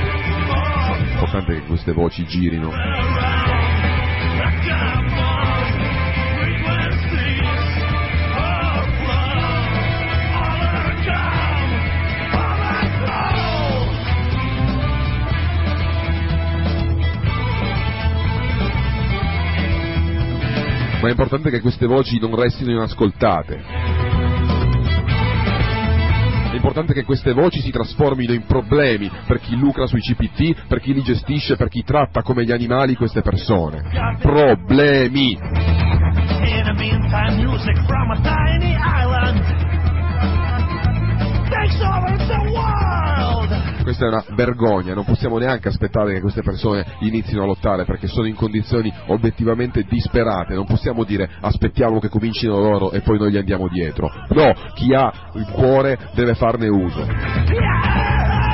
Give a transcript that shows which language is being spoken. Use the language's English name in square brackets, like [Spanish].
[Italian] È importante che queste voci girino. Ma è importante che queste voci non restino inascoltate. È importante che queste voci si trasformino in problemi per chi lucra sui CPT, per chi li gestisce, per chi tratta come gli animali queste persone. Problemi! [English] In the meantime, music from a tiny island takes over the world. [Italian] Questa è una vergogna, non possiamo neanche aspettare che queste persone inizino a lottare perché sono in condizioni obiettivamente disperate, non possiamo dire aspettiamo che comincino loro e poi noi gli andiamo dietro. No, chi ha il cuore deve farne uso.